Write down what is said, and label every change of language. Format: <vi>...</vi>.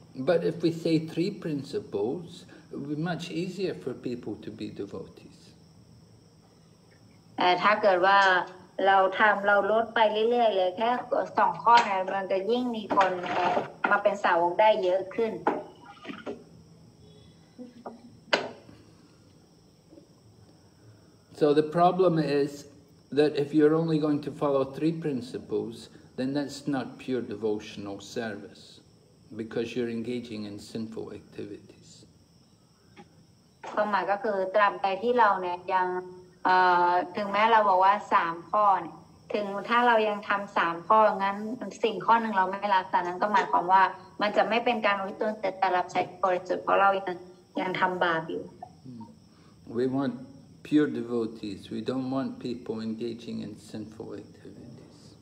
<en>But if we say 3 principles, it would be much easier for people to be devotees.</en> <th>ถ้าเกิดว่าเราทำเราลดไปเรื่อยๆเลยแค่2ข้อนะมันจะยิ่งมีคนมาเป็นสาวกได้เยอะขึ้น</th> <en>So the problem is that if you're only going to follow 3 principles, then that's not pure devotional service. Because you're engaging in sinful activities.</en> <th>ความหมายก็คือตราบใดที่เราเนี่ยยังถึงแม้เราบอกว่า3ข้อเนี่ยถึงถ้าเรายังทำ3ข้องั้นสิ่งข้อนึงเราไม่รักษานั้นก็หมายความว่ามันจะไม่เป็นการอุทิศตนแต่รับใช้บริสุทธิ์เพราะเรายังทำบาปอยู่</th> <en>We want pure devotees. We don't want people engaging in sinful activities.</en>